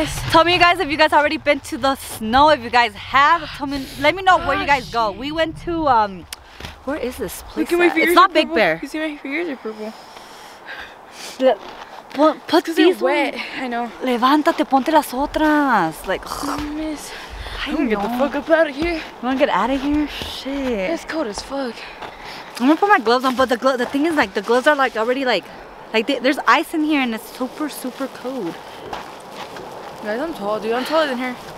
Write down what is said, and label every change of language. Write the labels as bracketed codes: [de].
[en] Tell me, you guys, if you guys already been to the snow. If you guys have, let me know where you guys go. We went to, where is this place? Look at my fingers. It's not Big Bear. You see, my fingers are purple. Well, put these wet. Ones. I know. [es] Levántate, ponte las otras. [en] Like, miss. I'm gonna get the fuck up out of here. You wanna get out of here? Shit. It's cold as fuck. I'm gonna put my gloves on, but the thing is, like, the gloves are, like, already, like there's ice in here and it's super, super cold. Guys, I'm tall, dude. I'm taller than her.